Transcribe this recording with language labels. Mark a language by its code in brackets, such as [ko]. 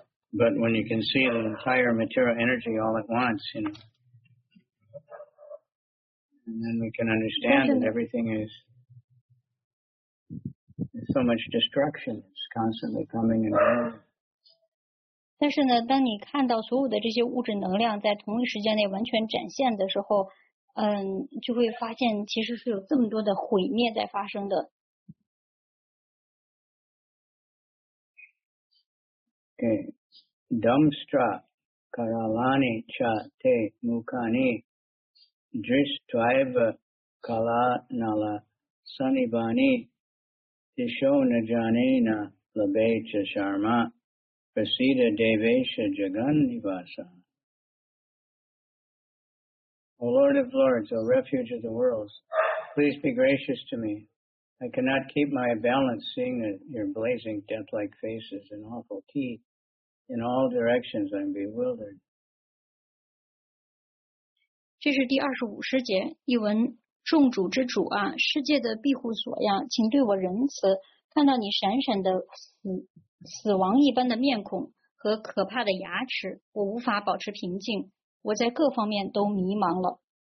[en] But when you can see the entire material energy all at once, you know, and then we can understand that everything is so much destruction is constantly coming and going. [zh] 但是呢，当你看到所有的这些物质能量在同一时间内完全展现的时候，就会发现其实是有这么多的毁灭在发生的。 [sa] Okay. Dumstra karalani cha te mukani drishtvaiva kala nala sanibani tisho najanena labe cha sharma prasida devesha jagan nivasa. [en] O Lord of Lords, O refuge of the worlds, please be gracious to me. I cannot keep my balance seeing your blazing death-like faces and awful teeth. In all directions, I'm bewildered. [zh] 这是第25节, 一文, 众主之主啊, 世界的庇护所呀, 请对我仁慈, 看到你闪闪的死亡一般的面孔, 和可怕的牙齿, 我无法保持平静, 我在各方面都迷茫了。